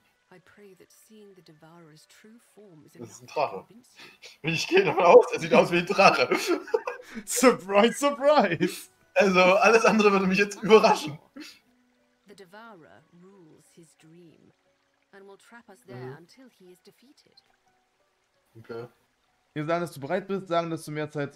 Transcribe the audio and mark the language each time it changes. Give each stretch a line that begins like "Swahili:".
English: I pray that seeing the Devourer's true form is enough.
German: Das ist ein Drache. Wie ich gehe davon aus, er sieht aus wie ein Drache.
English: Surprise, surprise.
German: Also, alles andere würde mich jetzt überraschen.
English: The Devourer rules his dream and will trap us there until he is defeated. Okay.
German: Wir sagen, dass du bereit bist, sagen, dass du mehr Zeit.